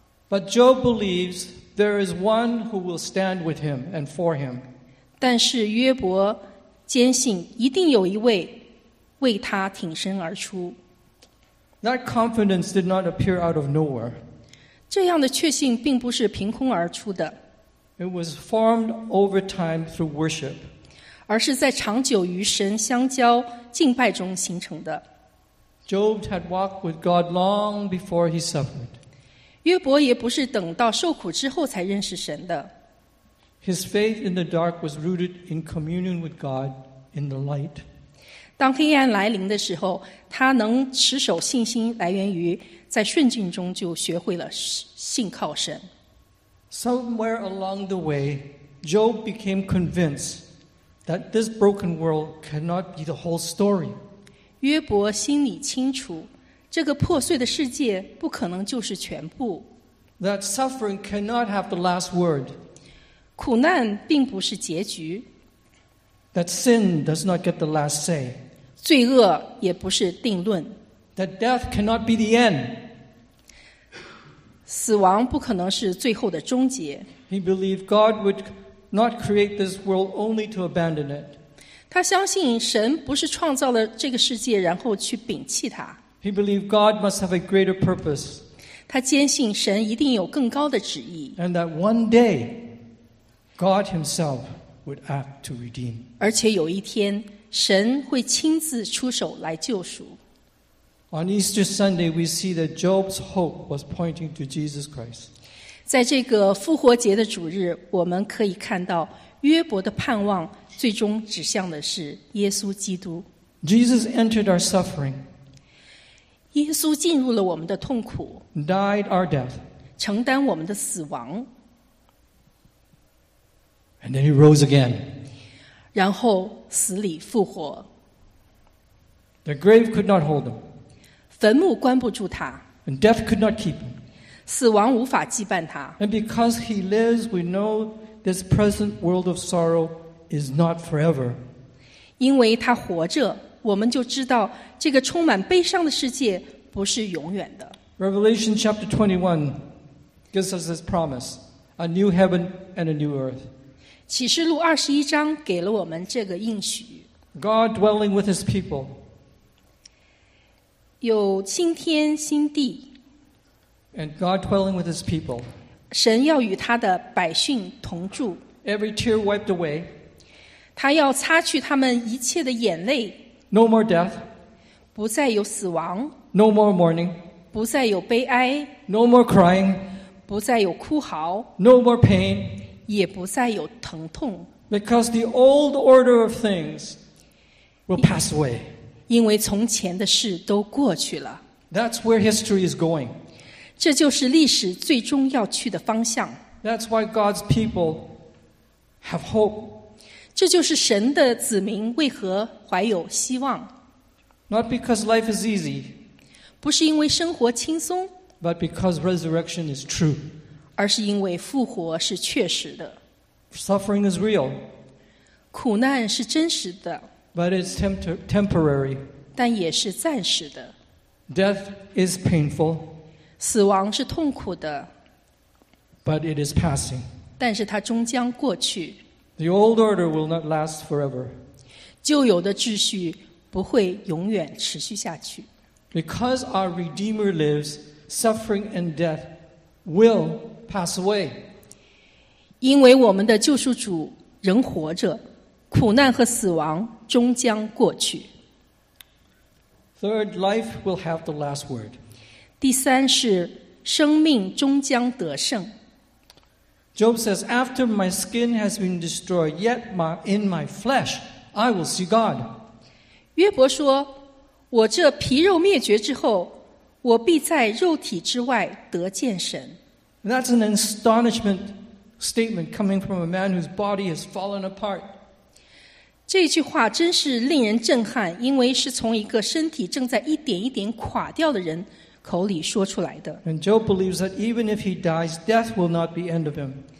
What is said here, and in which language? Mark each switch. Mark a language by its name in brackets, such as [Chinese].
[English] But Job believes there is one who will stand with him and for him. [Chinese] 但是约伯坚信一定有一位为他挺身而出。 [English] That confidence did not appear out of nowhere. [Chinese] 这样的确信并不是凭空而出的。 [English] It was formed over time through worship. [Chinese] 而是在长久与神相交敬拜中形成的。 [English] Job had walked with God long before he suffered. [Chinese] 约伯也不是等到受苦之后才认识神的。 [English] His faith in the dark was rooted in communion with God in the light. [Chinese] 当黑暗来临的时候，他能持守信心来源于在顺境中就学会了信靠神。 [English] Somewhere along the way, Job became convinced that this broken world cannot be the whole story. [Chinese] 约伯心里清楚，这个破碎的世界不可能就是全部。 [English] That suffering cannot have the last word. [Chinese] 苦难并不是结局。 [English] That sin does not get the last say. [Chinese] 罪恶也不是定论。 [English] That death cannot be the end. [Chinese] 死亡不可能是最后的终结。 [English] He believed God would not create this world only to abandon it. [Chinese] 他相信神不是创造了这个世界然后去摒弃它。 [English] He believed God must have a greater purpose. [Chinese] 他坚信神一定有更高的旨意。 [English] And that one day, God himself would act to redeem. [Chinese] 而且有一天神会亲自出手来救赎。 [English] On Easter Sunday, we see that Job's hope was pointing to Jesus Christ. [Chinese] 在这个复活节的主日，我们可以看到约伯的盼望最终指向的是耶稣基督。 [English] Jesus entered our suffering. [Chinese] 耶稣进入了我们的痛苦。 [English] Died our death. [Chinese] 承担我们的死亡。 [English] And then he rose again. [Chinese] 然后死里复活。 [English] The grave could not hold him. [Chinese] 坟墓关不住他。 [English] And death could not keep him. [Chinese] 死亡无法羁绊他。 [English] And because he lives, we know this present world of sorrow is not forever. [Chinese] 因为他活着，我们就知道这个充满悲伤的世界不是永远的。 [English] Revelation chapter 21 gives us this promise, a new heaven and a new earth. [Chinese] 启示录二十一章给了我们这个应许。 [English] God dwelling with his people. [Chinese] 有新天新地 [English] and God dwelling with his people. [Chinese] 神要与他的百姓同住 [English] every tear wiped away. [Chinese] 他要擦去他们一切的眼泪 [English] no more death. [Chinese] 不再有死亡 [English] no more mourning. [Chinese] 不再有悲哀 [English] no more crying. [Chinese] 不再有哭嚎 [English] no more pain. [Chinese] 也不再有疼痛 [English] because the old order of things will pass away. [Chinese] 因为从前的事都过去了。 [English] That's where history is going. [Chinese] 这就是历史最终要去的方向。 [English] That's why God's people have hope. [Chinese] 这就是神的子民为何怀有希望。 [English] Not because life is easy. [Chinese] 不是因为生活轻松。 [English] But because resurrection is true. [Chinese] 而是因为复活是确实的。 [English] Suffering is real. [Chinese] 苦难是真实的。 [English] But it's temporary. [Chinese] 但也是暂时的。 [English] Death is painful. [Chinese] 死亡是痛苦的。 [English] But it is passing. [Chinese] 但是它终将过去。 [English] The old order will not last forever. [Chinese] 旧有的秩序不会永远持续下去。 [English] Because our Redeemer lives, suffering and death will pass away. [Chinese] 因为我们的救赎主仍活着。苦难和死亡终将过去。 [English] Third, life will have the last word. [Chinese] 第三是生命终将得胜。 [English] Job says, "After my skin has been destroyed, yet in my flesh I will see God." [Chinese] 约伯说：“我这皮肉灭绝之后，我必在肉体之外得见神。” [English] That's an astonishment statement coming from a man whose body has fallen apart. [Chinese] 这句话真是令人震撼，因为是从一个身体正在一点一点垮掉的人口里说出来的。 [English] And Job believes that even if he dies, death will not be end of him.